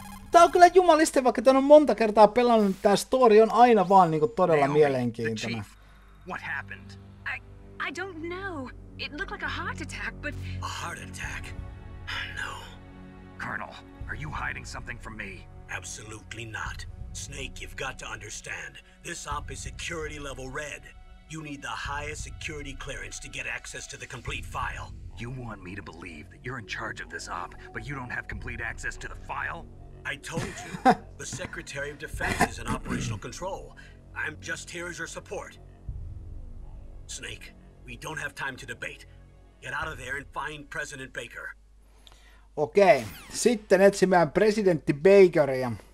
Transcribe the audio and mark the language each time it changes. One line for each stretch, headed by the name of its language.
Finnish: Tää on kyllä jumalista, vaikka tän on monta kertaa pelannut, tää story on aina vaan niinku todella mielenkiintoinen.
English: What happened? I don't know. It looked like a heart attack, but... A heart attack? No. Colonel, are you hiding something from me? Absolutely not. Snake, you've got to understand. This op is security level red. You need the highest security clearance to get access to the complete file. You want me to believe that you're in charge of this op, but you don't have complete access to the file? I told you. The Secretary of Defense is in operational control. I'm just here as your support. Snake, we don't have time to debate. Get out of there and find President Baker.
Finnish: Okei, sitten etsimään presidentti Bakeria.